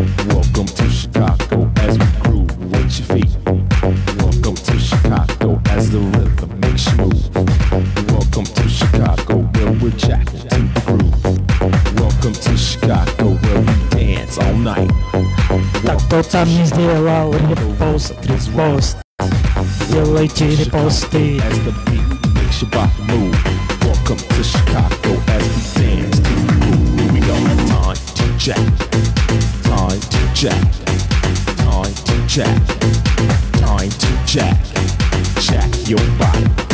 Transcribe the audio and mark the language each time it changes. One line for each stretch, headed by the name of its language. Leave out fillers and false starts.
English: Welcome to Chicago, as we groove with your feet. Welcome to Chicago, as the rhythm makes you move. Welcome to Chicago, where we're jacking to the groove. Welcome to Chicago, where we dance all night.
Russian: Так то там не сделал репост, репост. Делайте репосты.
English: As the beat makes your body move. Welcome to Chicago, as we dance to the groove. Here we go, time to jack. Time to jack. Time to jack. Time to jack. Jack your body.